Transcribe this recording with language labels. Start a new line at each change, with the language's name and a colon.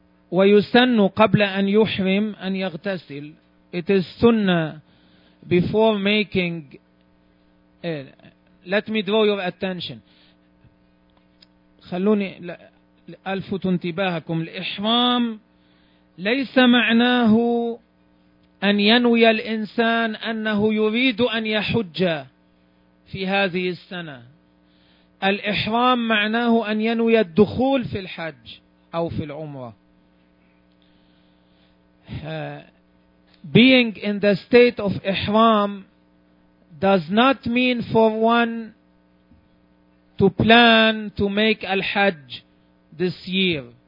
Arabic: ويسن قبل أن يحرم أن يغتسل.
English: It is sunnah before making. Let me draw your attention.
Arabic: خلوني ألفت انتباهكم. الإحرام ليس معناه أن ينوي الإنسان أنه يريد أن يحج في هذه السنة. الإحرام معناه أن ينوي الدخول في الحج أو في العمرة.
English: Being in the state of ihram does not mean for one to plan to make Al-Hajj this year.